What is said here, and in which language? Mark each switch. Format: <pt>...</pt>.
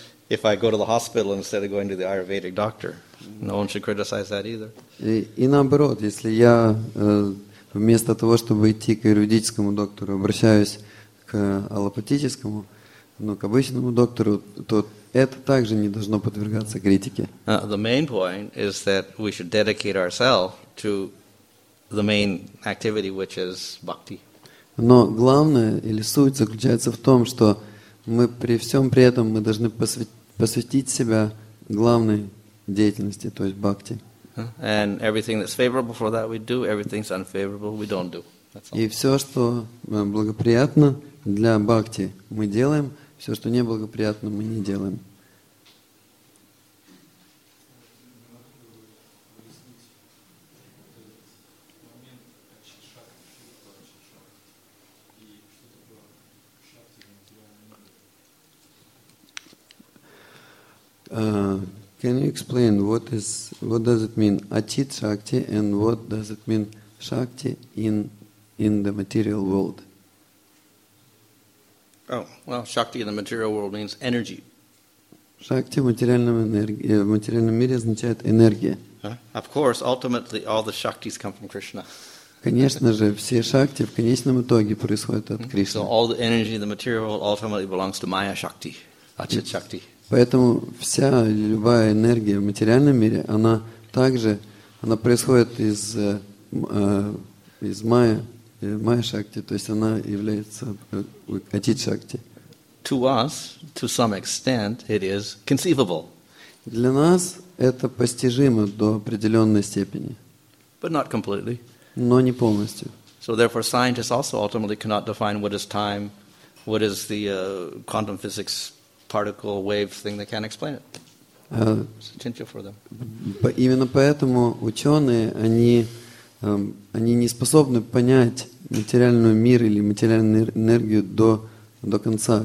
<en>If I go to the hospital instead of going to the Ayurvedic doctor, no one should criticize that either.</en> <ru>И наоборот, если я вместо того, чтобы идти к аюрведическому доктору, обращаюсь к аллопатическому, к обычному доктору, то это также не должно подвергаться критике.</ru> <en>The main point is that we should dedicate ourselves to the main activity, which is bhakti.</en> <ru>Но главное или суть заключается в том, что мы при всем при этом мы должны посвятить себя главной деятельности, то есть бхакти.</ru> <en>And everything that's favorable for that we do, everything's unfavorable we don't do. That's all.</en> <ru>И все, что благоприятно для бхакти, мы делаем, все, что неблагоприятно, мы не делаем.</ru> <en>Can you explain what is what does it mean Atit Shakti and what does it mean Shakti in the material world? Oh, well, Shakti in the material world means energy.</en> <ru>Шакти в материальном мире означает энергия.</ru> <en>Of course, ultimately all the shaktis come from Krishna.</en> <ru>Конечно же, все шакти в конечном итоге происходят от Кришны.</ru> <en>So all the energy in the material world ultimately belongs to Maya Shakti, Atit Shakti.</en> <ru>Поэтому вся любая энергия в материальном мире, она также, она происходит из из Майя Шакти, то есть она является Атит Шакти.</ru> <en>To us, to some extent, it is conceivable.</en> <ru>Для нас это постижимо до определенной степени.</ru> <en>But not completely.</en> <ru>Но не полностью.</ru> <en>So therefore, scientists also ultimately cannot define what is time, what is the quantum physics particle wave thing. They can't explain it. It's potential for them.</en> <ru>Именно поэтому ученые они не способны понять материальный мир или материальную энергию до конца.</ru>